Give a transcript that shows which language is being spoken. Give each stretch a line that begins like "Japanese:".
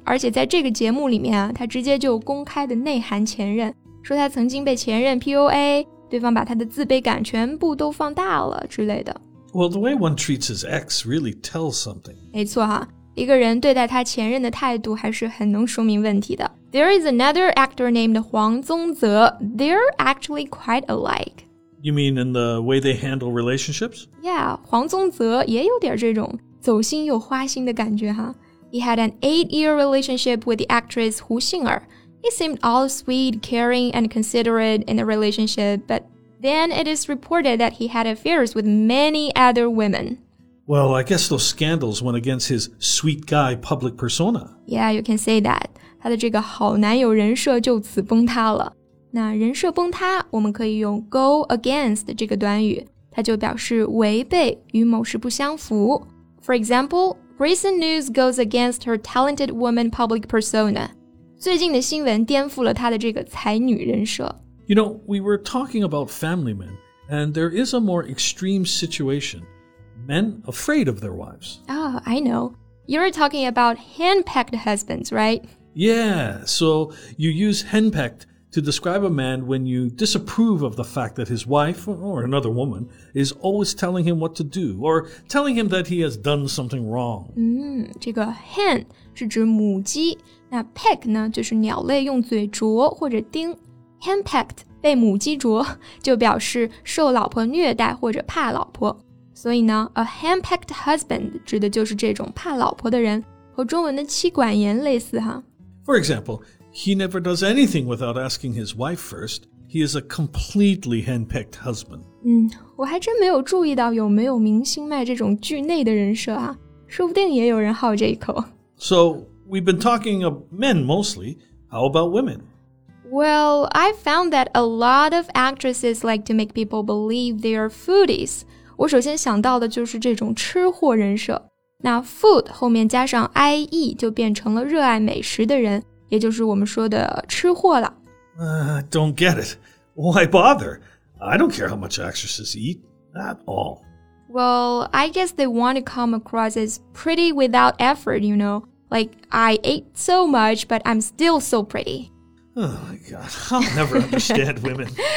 Chinese: 而且在这个节目里面啊，他直接就公开的内涵前任，说他曾经被前任 PUA, 对方把他的自卑感全部都放大了之类的。
English: Well, the way one treats his ex really tells something.
Chinese: 没错哈，一个人对待他前任的态度还是很能说明问题的。
English: There is another actor named Huang Zongze. They're actually quite alike. You mean in the way they handle relationships?
Chinese: Yeah, Huang Zongze 也有点这种走心又花心的感觉哈。
English: He had an 8-year relationship with the actress Hu Xing'er. He seemed all sweet, caring, and considerate in the relationship, but then it is reported that he had affairs with many other women. Well, I guess those scandals went against his sweet guy public persona. Yeah, you can say that.
Chinese: 他的这个好男友人设就此崩塌了。那人设崩塌，我们可以用
English: go against
Chinese: 这个短语，它就表示违背，与某事不相符。
English: For example, recent news goes against her talented woman public persona.
Chinese: 最近的新闻颠覆了她的这个才女人设。
English: You know, we were talking about family men, and there is a more extreme situation. Men afraid of their wives. Oh, I know. You're talking about henpecked husbands, right? Yeah, so you use henpecked to describe a man when you disapprove of the fact that his wife, or another woman, is always telling him what to do, or telling him that he has done something wrong.
Chinese: 这个 hen 是指母鸡，那 peck 呢，就是鸟类用嘴啄或者叮。 Henpecked, 被母鸡啄，就表示受老婆虐待或者怕老婆。所以呢 ,
English: a henpecked husband
Chinese: 指的就是这种怕老婆的人，和中文的妻管严类似哈。
English: For example, he never does anything without asking his wife first. He is a completely henpecked husband.
Chinese: 我还真没有注意到有没有明星卖这种剧内的人设啊，说不定也有人好这一口。
English: So, we've been talking of men mostly. How about women? Well, I found that a lot of actresses like to make people believe they are foodies.
Chinese: 我首先想到的就是这种吃货人设。那 food 后面加上 IE 就变成了热爱美食的人，也就是我们说的吃货了。
English: Don't get it. Why bother? I don't care how much actresses eat at all. Well, I guess they want to come across as pretty without effort, you know? Like, I ate so much, but I'm still so pretty. Oh my god, I'll never understand women.